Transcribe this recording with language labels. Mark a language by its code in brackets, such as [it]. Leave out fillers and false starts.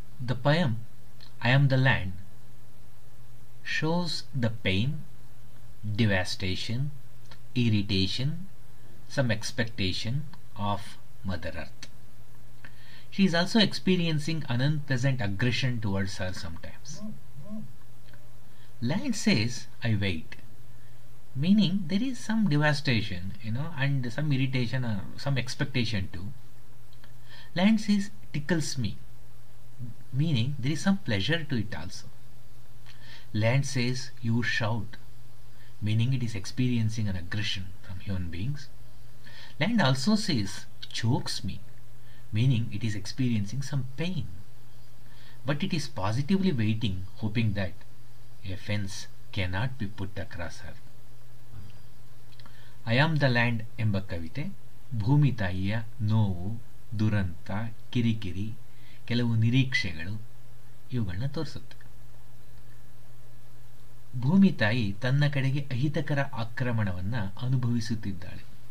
[en] The poem I am the land shows the pain, devastation, irritation, some expectation of mother earth. She is also experiencing an unpleasant aggression towards her sometimes. Land says, I wait. Meaning, there is some devastation, you know, and some irritation or some expectation too. Land says, tickles me. Meaning, there is some pleasure to it also. Land says, you shout. Meaning, it is experiencing an aggression from human beings. Land also says, chokes me. Meaning it is experiencing some pain, but it is positively waiting, hoping that a fence cannot be put across her. [kn] I am the land ಎಂಬ ಕವಿತೆ ಭೂಮಿ ತಾಯಿಯ ನೋವು, ದುರಂತ, ಕಿರಿಕಿರಿ, ಕೆಲವು ನಿರೀಕ್ಷೆಗಳು ಇವುಗಳನ್ನ ತೋರಿಸುತ್ತೆ. ಭೂಮಿ ತಾಯಿ ತನ್ನ ಕಡೆಗೆ ಅಹಿತಕರ ಆಕ್ರಮಣವನ್ನು ಅನುಭವಿಸುತ್ತಿದ್ದಾಳೆ.